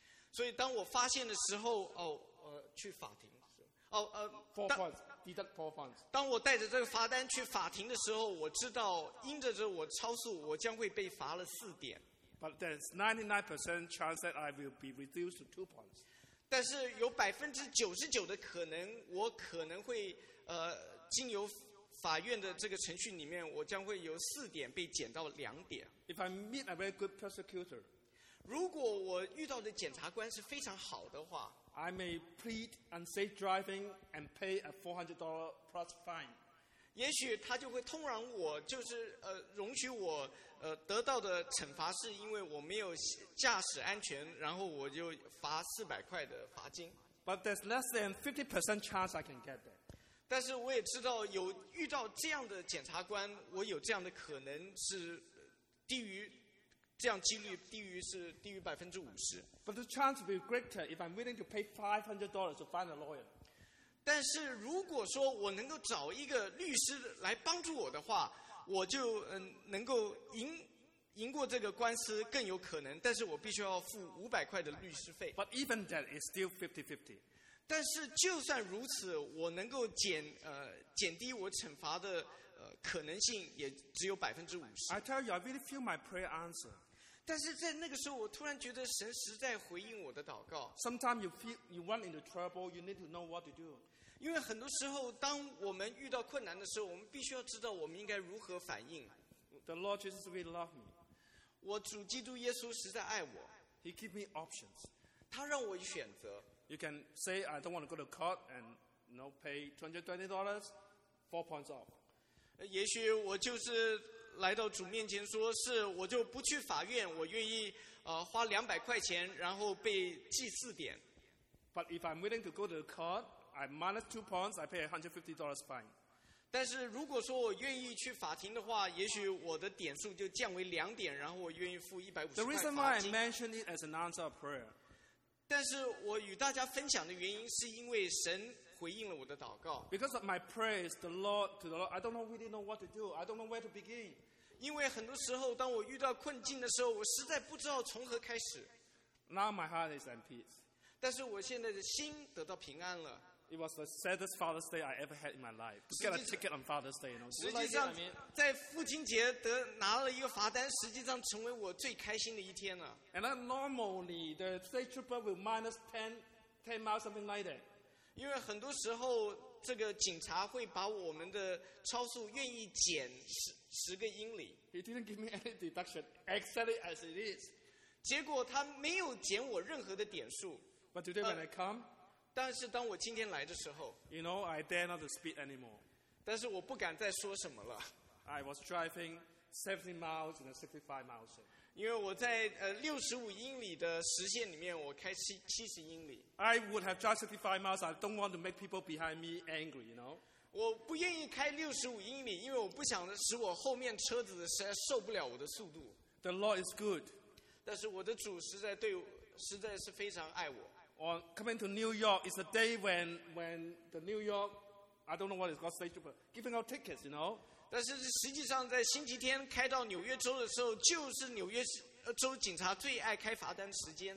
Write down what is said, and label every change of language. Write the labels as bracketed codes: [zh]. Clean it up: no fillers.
[zh] 所以当我发现的时候，去法庭。 [en] four points. Deduct 4 points. [zh] 当我带着这个罚单去法庭的时候，我知道因着这我超速，我将会被罚了四点。 [en] But there's 99% chance that I will be reduced to 2 points. [zh] 但是有 99% 的可能，我可能会经由法院的这个程序里面，我将会由4点被减到2点。 [en] If I meet a very good prosecutor, [zh] 如果我遇到的检察官是非常好的话， [en] I may plead unsafe driving and pay a $400 plus fine. [zh] 也许他就会通融我，就是容许我得到的惩罚是因为我没有驾驶安全，然后我就罚400块的罚金。 [en] But there's less than 50% chance I can get there. [zh] 但是我也知道有遇到这样的检察官，我有这样的可能是低于这样几率低于50%。 [en] But the chance will be greater if I'm willing to pay $500 to find a lawyer. [zh] 但是如果说我能够找一个律师来帮助我的话，我就能够赢过这个官司更有可能，但是我必须要付500块的律师费。 [en] But even that is still 50-50. [zh] 但是就算如此，我能够减低我惩罚的可能性也只有 50%。 [en] I tell you, I really feel my prayer answer. [zh] 但是在那个时候我突然觉得神实在回应我的祷告。 [en] Sometimes you run into trouble, you need to know what to do. [zh] 因为很多时候当我们遇到困难的时候我们必须要知道我们应该如何反应。 [en] The Lord Jesus really loved me. [zh] 我主基督耶稣实在爱我。 [en] He gave me options. [zh] 他让我选择。 [en] You can say, I don't want to go to court and you know, pay $220, 4 points off. [zh] 也许我就是来到主面前说是我就不去法院我愿意花$200然后被记4点。 [en] But if I'm willing to go to the court, I minus 2 points, I pay $150 fine. [zh] 但是如果说我愿意去法庭的话也许我的点数就降为2点然后我愿意付150块罚金。 [en] The reason why I mention it as an answer of prayer, [zh] 但是我与大家分享的原因是因为神回应了我的祷告。 [en] Because of my praise, the Lord, to the Lord, I don't know really know what to do. I don't know where to begin. [zh] 因为很多时候当我遇到困境的时候我实在不知道从何开始。 [en] Now my heart is at peace. [zh] 但是我现在的心得到平安了。 [en] It was the saddest Father's Day I ever had in my life. Get a ticket on Father's Day, you know. [zh] 实际上在父亲节得拿了一个罚单实际上成为我最开心的一天了。 [en] And then normally the state trooper will minus 10 miles, something like that. [zh] 因为很多时候这个警察会把我们的超速愿意减 10个英里。 [en] He didn't give me any deduction, exactly as it is. [zh] 结果他没有减我任何的点数。 [en] But today when I come, [zh] 但是当我今天来的时候 [en] you know, I dare not to speed anymore. [zh] 但是我不敢再说什么了。 [en] I was driving 70 miles and 65 miles. [zh] 因为我在65英里的时限里面我开70英里。 [en] I would have driven 65 miles. I don't want to make people behind me angry, you know. [zh] 我不愿意开65英里因为我不想使我后面车子实在受不了我的速度。 [en] The Lord is good. [zh] 但是我的主实在是非常爱我。 [en] On coming to New York, it's a day when the New York, I don't know what it's called, state trooper, giving out tickets, you know. [zh] 但是实际上在星期天开到纽约州的时候就是纽约州警察最爱开罚单时间。